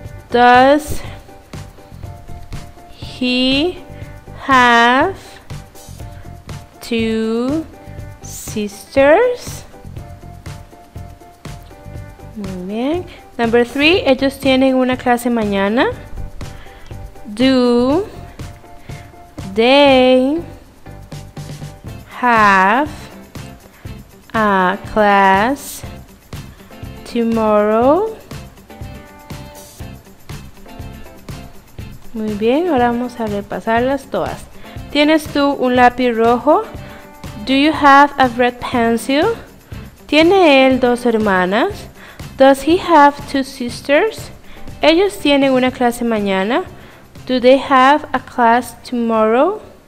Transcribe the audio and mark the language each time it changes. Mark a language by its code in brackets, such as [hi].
[en] Does he have 2 sisters? [es] Muy bien. [en] Number three, [es] ellos tienen una clase mañana. [en] Do they have a class tomorrow? [es] Muy bien, ahora vamos a repasarlas todas. ¿Tienes tú un lápiz rojo? [en] Do you have a red pencil? [es] ¿Tiene él dos hermanas? [en] Does he have two sisters? [es] ¿Ellos tienen una clase mañana? [en] Do they have a class tomorrow?